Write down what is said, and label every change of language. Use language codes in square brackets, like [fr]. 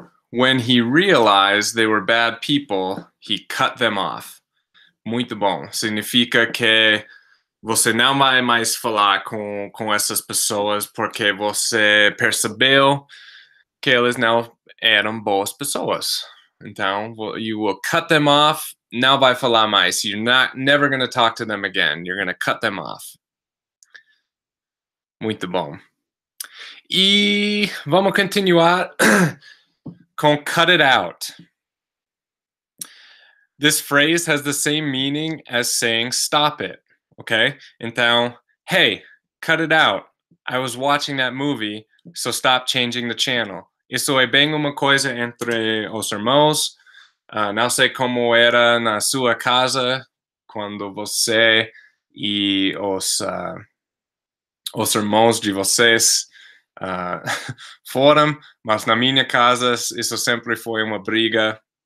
[en] When he realized they were bad people, he cut them off. [pt] Muito bom. Significa que você não vai mais falar com essas pessoas porque você percebeu que eles não eram boas pessoas. Então, [en] you will cut them off. [pt] Não vai falar mais. [en] You're not never going to talk to them again. You're going to cut them off. [pt] Muito bom. E vamos continuar. [en] Con cut it out. This phrase has the same meaning as saying stop it, okay? Então, hey, cut it out. I was watching that movie, so stop changing the channel. [pt] Isso é bem uma coisa entre os irmãos. Não sei como era na sua casa quando você e os irmãos de vocês... foram, mas na minha casa isso sempre foi uma briga.